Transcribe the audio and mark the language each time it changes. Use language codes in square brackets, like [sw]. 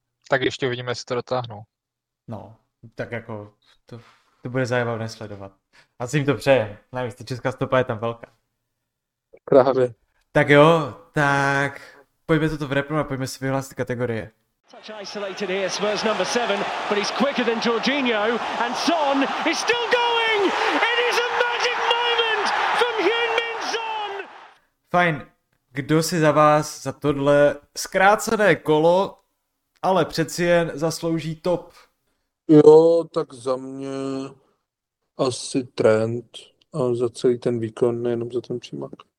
[cs] Tak ještě uvidíme, jestli to dotáhnou. No, tak jako to bude zajímavé sledovat. A si jim to přejem. Navíc ta česká stopa je tam velká. Právě. Tak jo, tak pojďme toto vrepnout a pojďme si vyhlásit kategorie. [en] Such isolated here, Spurs number 7, but he's quicker than Jorginho and Son is still going! It is a magic moment from Heung-min Son! [cs] Fajn, kdo si za vás za tohle zkrácené kolo, ale přeci jen zaslouží top? Jo, tak za mě asi Trent a za celý ten výkon, nejenom za ten přímák.